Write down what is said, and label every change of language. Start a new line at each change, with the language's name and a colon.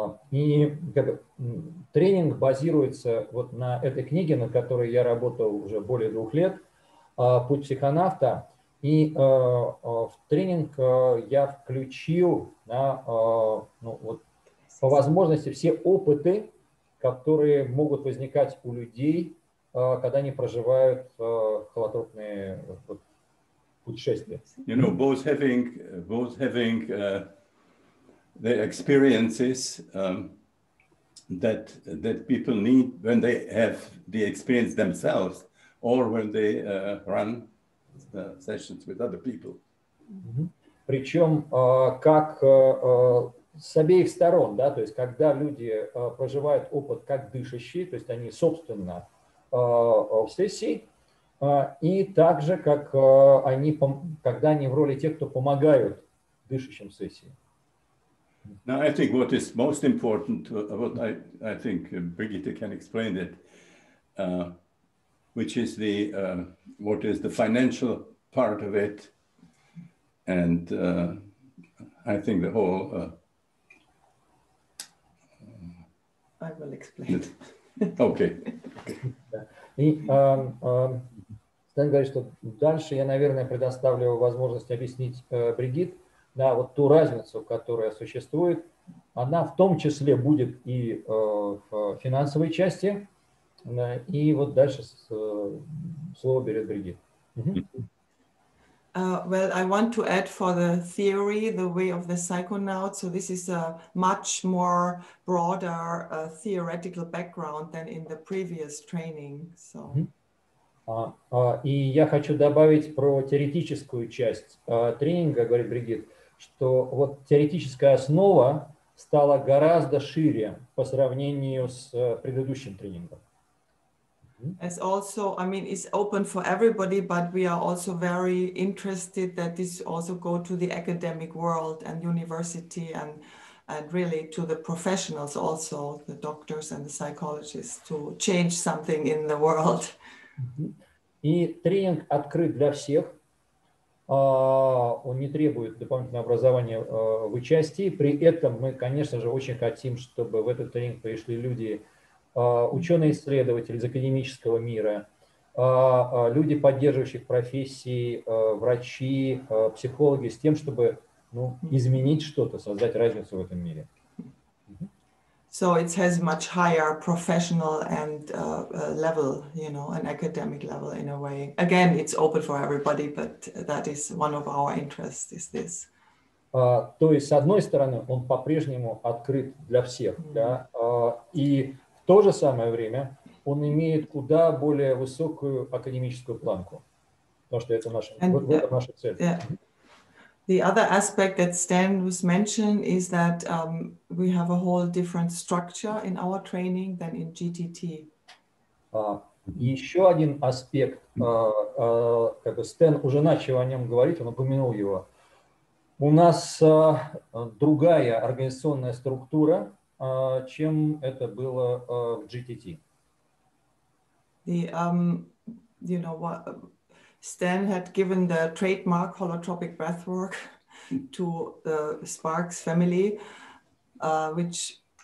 Russian: И как бы, тренинг базируется вот на этой книге, над которой я работал уже более 2 лет. «Путь психонавта», и в тренинг я включил, да, ну, вот, по возможности, все опыты, которые могут возникать у людей, когда они проживают холотропные вот, путешествия.
English: You know, both having the experiences that people need when they have the experience themselves, or when they run sessions with other people. Mm-hmm.
Russian: Причем как с обеих сторон, да, то есть когда люди проживают опыт как дышащие, то есть они собственно в сессии, и также как они, когда они в роли тех, кто помогают дышащим в сессии.
English: Now I think what is most important, what I think Brigitte can explain it, which is the what is the financial part of it, and I think the whole. I will explain. Okay.
Russian: И Стэн говорит, что дальше я, наверное, предоставлю возможность объяснить Бригит, да, вот ту разницу, которая существует. Она в том числе будет и в финансовой части. И вот дальше слово берет Бригит.
English: Well, I want to add for the theory, the way of the psychonaut. So this is a much more broader theoretical background than in the previous training. So.
Russian: И я хочу добавить про теоретическую часть тренинга, говорит Бригит, что вот теоретическая основа стала гораздо шире по сравнению с предыдущим тренингом.
English: As also, I mean, it's open for everybody, but we are also very interested that this also go to the academic world and university and really to the professionals also, the doctors and the psychologists, to change something in the world.
Russian: И тренинг открыт для всех. Он не требует дополнительного образования в участии. При этом мы, конечно же, очень хотим, чтобы в этот тренинг пришли люди, ученые-исследователи из академического мира, люди, поддерживающих профессии, врачи, психологи, с тем, чтобы, ну, изменить что-то, создать разницу в этом мире.
English: So it has much higher professional and level, you know, an academic level in a way. Again, it's open for everybody, but that is one of our interests, is this.
Russian: То есть, с одной стороны, он по-прежнему открыт для всех, mm-hmm. да, и в то же самое время он имеет куда более высокую академическую планку, потому что это наша цель.
English: The other aspect that Stan was mentioned is that we have a whole different structure in our training than in GTT.
Russian: Еще один аспект, как бы Стэн уже начал о нем говорить, он упомянул его. У нас другая организационная структура, чем это было в GTT.
English: The, you know, what, Stan had given the trademark holotropic breathwork to the Sparks family, which